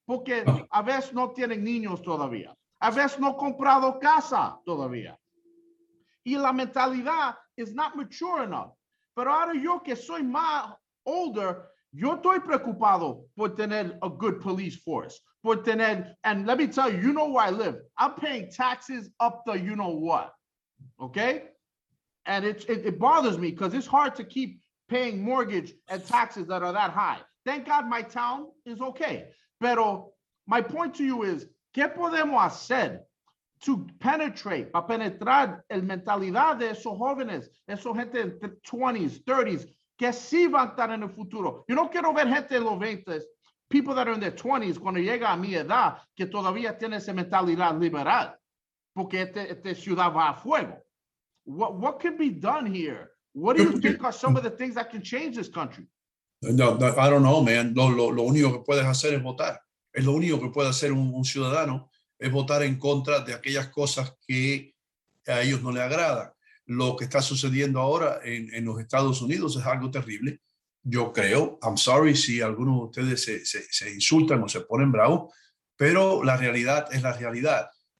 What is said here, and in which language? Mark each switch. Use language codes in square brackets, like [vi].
[es] Porque a veces no tienen niños todavía. A veces no comprado casa todavía. Y la mentalidad [en] is not mature enough. [es] Pero ahora yo que soy más [en] older, [es] yo estoy preocupado por tener [en] a good police force. But then, and let me tell you, you know where I live. I'm paying taxes up the you know what, okay? And it bothers me because it's hard to keep paying mortgage and taxes that are that high. Thank God my town is okay. [es] Pero [en] my point to you is, [es] ¿qué podemos hacer [en] to penetrate, [es] para penetrar el mentalidad de esos jóvenes, esos gente en 20s, 30s, que sí van a estar en el futuro? Yo no quiero ver gente en los 20s. [en] People that are in their 20s, [es] cuando llega a mi edad, que todavía tiene esa mentalidad liberal, porque este ciudad va a fuego. [en] What can be done here? What do you think are some of the things that can change this country? No, I don't know, man. [es] Lo único que puedes hacer es votar. Es lo único que puede hacer un ciudadano, es votar en contra de aquellas cosas que a ellos no le agradan. Lo que está sucediendo ahora en los Estados Unidos es algo terrible. Yo creo, [en] I'm sorry [es] si algunos de ustedes se insultan o se ponen bravos, pero la realidad es la realidad.